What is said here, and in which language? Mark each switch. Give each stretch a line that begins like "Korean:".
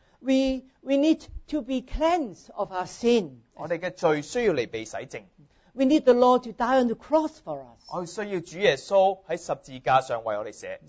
English: We need to be cleansed of our sin.
Cantonese: 我哋嘅罪需要嚟被洗净。
English: We need the Lord to die on the cross for us.
Cantonese: 我需要主耶稣喺十字架上为我哋死。